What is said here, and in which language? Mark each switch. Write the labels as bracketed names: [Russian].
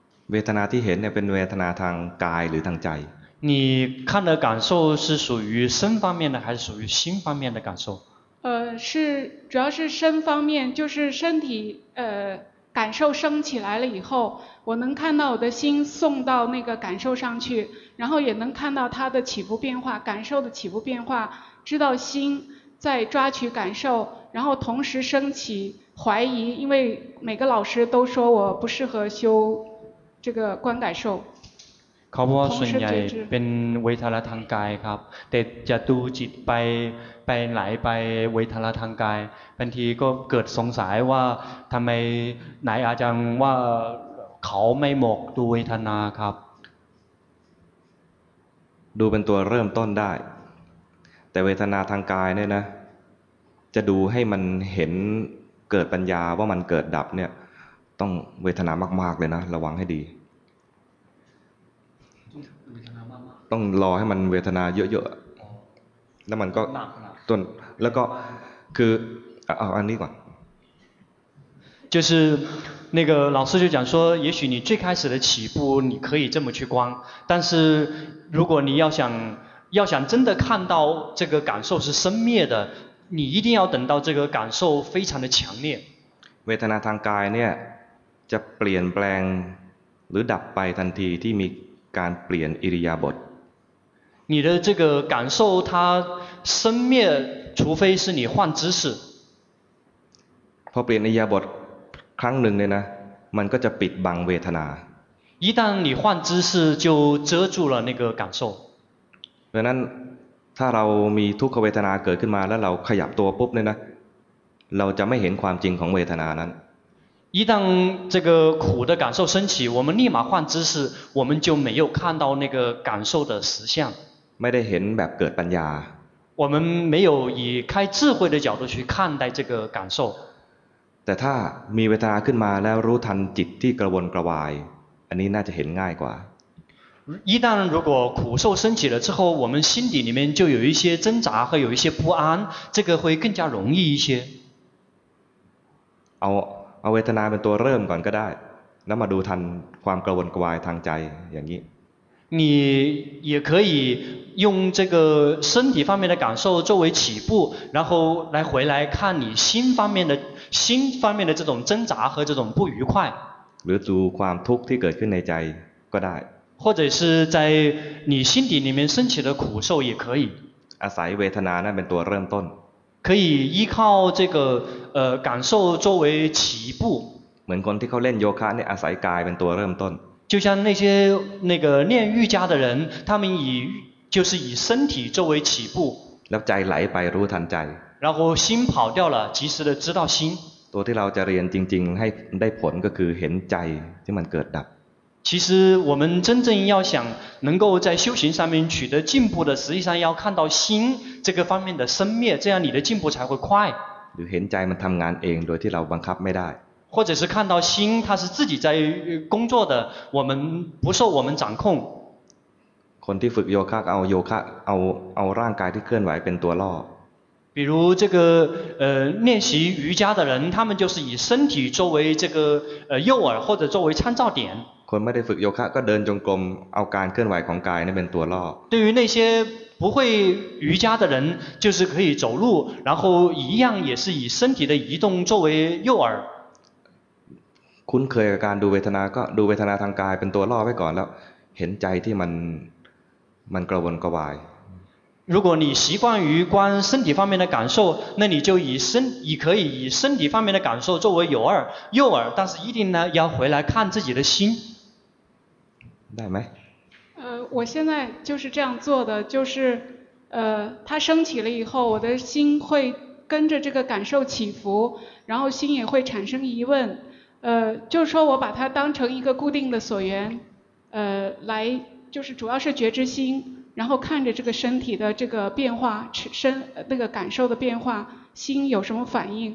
[Thai] เวทนาที่เห็นเนี่ยเป็นเวทนาทางกายหรือทางใจ [Chinese] 你看的感受是属于身方面的还是属于心方面的感受？是主要是身方面，就是身体感受升起来了以后，我能看到我的心送到那个感受上去，然后也能看到它的起伏变化，感受的起伏变化，知道心在抓取感受，然后同时升起怀疑，因为每个老师都说我不适合修这个观感受。 [Thai] เขาบอกว่าส่วนใหญ่เป็นเวทนาทางกายครับแต่จะดูจิตไปหลายไปเวทนาทางกายบางทีก็เกิดสงสัยว่าทำไมนายอาจารย์ว่าเขาไม่หมกดูเวทนาครับ ดูเป็นตัวเริ่มต้นได้แต่เวทนาทางกายเนี่ยนะจะดูให้มันเห็นเกิดปัญญาว่ามันเกิดดับเนี่ยต้องเวทนามากๆเลยนะระวังให้ดีต้องรอให้มันเวทนาเยอะๆแล้วมันก็ ต้นแล้วก็คือเอาอันนี้ก่อน [Chinese] 就是那个老师就讲说也许你最开始的起步你可以这么去观但是如果你要想真的看到这个感受是生灭的你一定要等到这个感受非常的强烈 [Thai] เวทนาทางกายเนี่ยจะเปลี่ยนแปลงหรือดับไปทันทีที่มีการเปลี่ยนอิริยาบถ [Chinese] 你的这个感受它生灭除非是你换姿势 [Thai] พอเปลี่ยนอิริยาบถครั้งหนึ่งเนี่ยนะมันก็จะปิดบังเวทนา [Chinese] 一旦你换姿势就遮住了那个感受 [Thai] เพราะนั้นถ้าเรามีทุกขเวทนาเกิดขึ้นมาแล้วเราขยับตัวปุ๊บเนี่ยนะเราจะไม่เห็นความจริงของเวทนานั้น [Chinese] 一旦这个苦的感受升起，我们立马换姿势，我们就没有看到那个感受的实相。 [Thai] ไม่ได้เห็นแบบเกิดปัญญา。 [Chinese] 我们没有以开智慧的角度去看待这个感受。 [Thai] แต่ถ้ามีเวทนาขึ้นมาแล้วรู้ทันจิตที่กระวนกระวายอันนี้น่าจะเห็นง่ายกว่า。 [Chinese] 一旦如果苦受升起了之后，我们心底里面就有一些挣扎和有一些不安，这个会更加容易一些。 [Thai] เอาเวทนาเป็นตัวเริ่มก่อนก็ได้แล้วมาดูทันความกระวนกระวายทางใจอย่างนี้ [Chinese] 你也可以用这个身体方面的感受作为起步然后来回来看你心方面的这种挣扎和这种不愉快 [Thai] หรือดูความทุกข์ที่เกิดขึ้นในใจก็ได้ [Chinese] 或者是在你心底里面升起的苦受也可以 [Thai] อาศัยเวทนานั้นเป็นตัวเริ่มต้น [Chinese] 可以依靠这个感受作为起步 [Thai] เหมือนคนที่เขาเล่นโยคะเนี่ยอาศัยกายเป็นตัวเริ่มต้น [Chinese] 就像那些那个练瑜伽的人他们以就是以身体作为起步 [Thai] แล้วใจไหลไปรู้ทันใจ [Chinese] 然后心跑掉了及时的知道心 [Thai] ตัวที่เราจะเรียนจริงๆให้ได้ผลก็คือเห็นใจที่มันเกิดดับ [Chinese] 其实我们真正要想能够在修行上面取得进步的实际上要看到心这个方面的生灭这样你的进步才会快 [Thai] หรือเห็นใจมันทำงานเองโดยที่เราบังคับไม่ได้ [Chinese] 或者是看到心它是自己在工作的我们不受我们掌控 [Thai] คนที่ฝึกโยคะเอาโยคะเอาร่างกายที่เคลื่อนไหวเป็นตัวล่อ [Chinese] 比如这个练习瑜伽的人他们就是以身体作为这个诱饵或者作为参照点 [Thai] คนไม่ได้ฝึกโยคะก็เดินจงกรมเอาการเคลื่อนไหวของกายนั้นเป็นตัวล่อ [Chinese] 对于那些不会瑜伽的人就是可以走路然后一样也是以身体的移动作为诱饵 [Thai] คุ้นเคยกับการดูเวทนาก็ดูเวทนาทางกายเป็นตัวล่อไว้ก่อนแล้วเห็นใจที่มันกระวนกระวาย [Chinese] 如果你习惯于观身体方面的感受，那你就可以以身体方面的感受作为有耳右耳，但是一定呢要回来看自己的心。对没？我现在就是这样做的，就是它升起了以后，我的心会跟着这个感受起伏，然后心也会产生疑问，就是说我把它当成一个固定的所缘，来就是主要是觉知心，然后看着这个身体的这个变化，那个感受的变化，心有什么反应？